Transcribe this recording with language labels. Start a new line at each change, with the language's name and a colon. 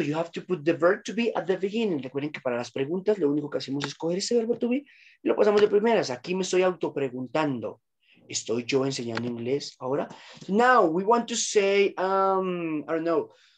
English: You have to put the verb to be at the beginning.
Spanish: Recuerden que para las preguntas, lo único que hacemos es coger ese verbo to be y lo pasamos de primeras. Aquí me estoy autopreguntando. ¿Estoy yo enseñando inglés ahora?
English: Now, we want to say, I don't know.